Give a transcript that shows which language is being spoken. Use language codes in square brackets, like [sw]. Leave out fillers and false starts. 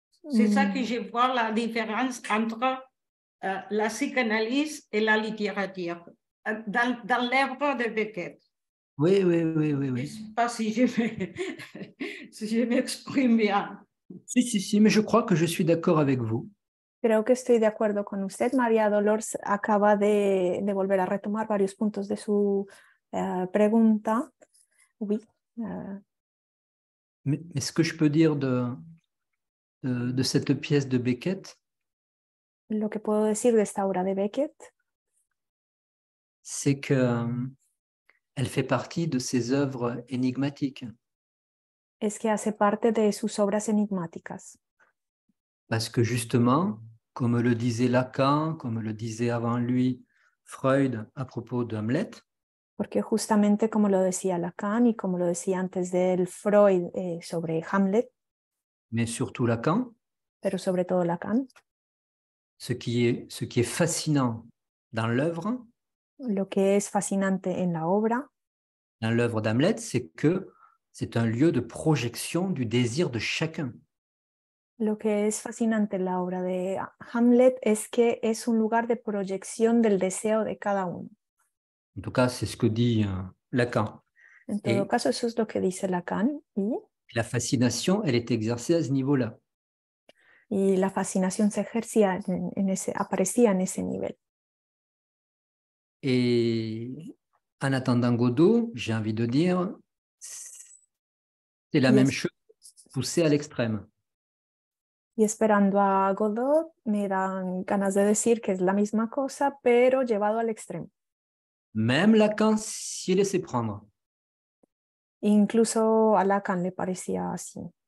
[fr] C'est ça que je vois, la différence entre la psychanalyse et la littérature, dans l'œuvre de Beckett. Oui, oui, oui, oui, oui. Je ne sais pas si je m'exprime bien. Si, si, si, mais je crois que je suis d'accord avec vous. [es] Creo que estoy de acuerdo con usted. María Dolores acaba de volver a retomar varios puntos de su pregunta. [fr] Oui. Mais ce que je peux dire de cette pièce de Beckett. [es] Lo que puedo decir de esta obra de Beckett. [fr] C'est que elle fait partie de ses œuvres énigmatiques. [es] Es que hace parte de sus obras enigmáticas. [fr] Parce que justement, comme le disait Lacan, comme le disait avant lui Freud à propos d'Hamlet. [es] Porque justamente como lo decía Lacan y como lo decía antes de él Freud sobre Hamlet. [fr] Mais surtout Lacan. [es] Pero sobre todo Lacan. [fr] Ce qui est fascinant dans l'œuvre. [es] Lo que es fascinante en la obra. [fr] Dans l'œuvre d'Hamlet, c'est que c'est un lieu de projection du désir de chacun. [es] Lo que es fascinante en la obra de Hamlet es que es un lugar de proyección del deseo de cada uno. En todo caso, es lo que dice Lacan. Y la fascinación, [fr] elle est exercée à ce niveau-là. [es] Y la fascinación se ejercía aparecía en ese nivel. [fr] Y en attendant Godot, j'ai envie de dire, c'est la même chose poussée à l'extrême. [es] Y esperando a Godot, me dan ganas de decir que es la misma cosa, pero llevado al extremo. [fr] Même Lacan s'y laissait prendre. [es] Incluso a Lacan le parecía así.